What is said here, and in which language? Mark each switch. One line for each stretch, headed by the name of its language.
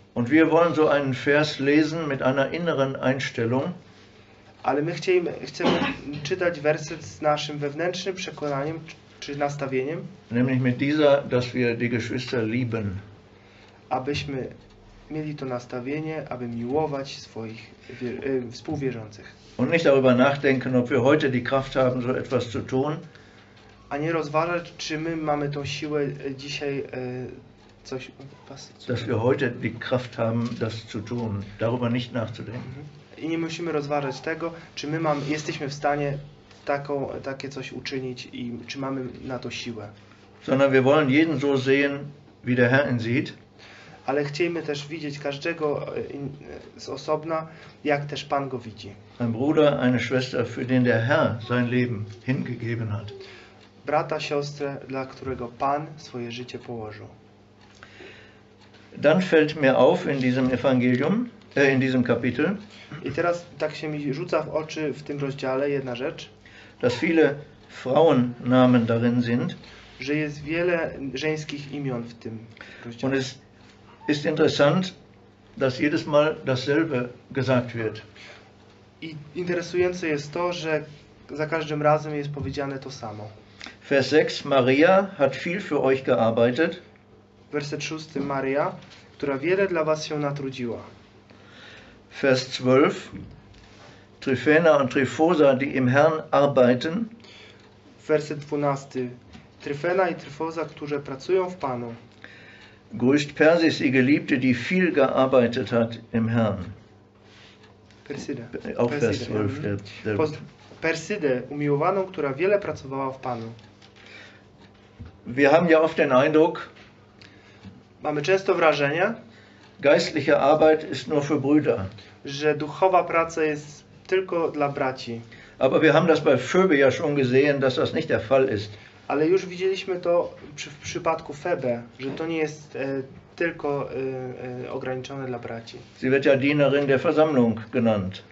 German: Und wir wollen so einen Vers lesen mit einer inneren Einstellung.
Polish: Ale my chcemy czytać werset z naszym wewnętrznym przekonaniem, czy nastawieniem.
German: Nämlich mit dieser, dass wir die Geschwister lieben.
Polish: Abyśmy mieli to nastawienie, aby miłować swoich współwierzących.
German: Und nicht darüber nachdenken, ob wir heute die Kraft haben, so etwas zu tun.
Polish: A nie rozważać, czy my mamy tą siłę dzisiaj coś
German: dass wir heute die Kraft haben, das zu tun, darüber nicht nachzudenken.
Polish: I nie musimy rozważać tego, czy my jesteśmy w stanie takie coś uczynić i czy mamy na to siłę.
German: Sondern wir wollen jeden so sehen, wie der Herr ihn sieht.
Polish: Ale chcielibyśmy też widzieć każdego z osobna, jak też Pan go widzi.
German: Ein Bruder, eine Schwester, für den der Herr sein Leben hingegeben hat.
Polish: Brata, siostrę, dla którego Pan swoje życie położył.
German: Dann fällt mir auf in diesem Evangelium, in diesem Kapitel.
Polish: I teraz tak się mi rzuca w oczy w tym rozdziale jedna rzecz.
German: Dass viele Frauennamen darin sind.
Polish: Że jest wiele żeńskich imion w tym rozdziale.
German: Und es ist interessant, dass jedes Mal dasselbe gesagt wird.
Polish: I interesujące jest to, że za każdym razem jest powiedziane to samo.
German: Vers 6, Maria hat viel für euch gearbeitet.
Polish: Werset 6, Maria, która wiele dla was się natrudziła.
German: Vers 12, Tryphena und Tryphosa, die im Herrn arbeiten.
Polish: werset 12. Tryfena i Tryfosa, którzy pracują w Panu.
German: Grüßt Persis, die Geliebte, die viel gearbeitet hat im Herrn.
Polish: Persida.
German: Auch Vers 12.
Polish: Persida, umiłowaną, która wiele pracowała w Panu.
German: Wir haben ja oft den Eindruck,
Polish: mamy często wrażenie,
German: geistliche Arbeit ist nur für Brüder.
Polish: Że duchowa praca jest tylko dla braci.
German: Aber wir haben das bei Phoebe ja schon gesehen, dass das nicht der Fall ist.
Polish: Ale już widzieliśmy to w przypadku Febe, że to nie jest tylko ograniczone dla braci.
German: Sie wird ja Dienerin der Versammlung genannt.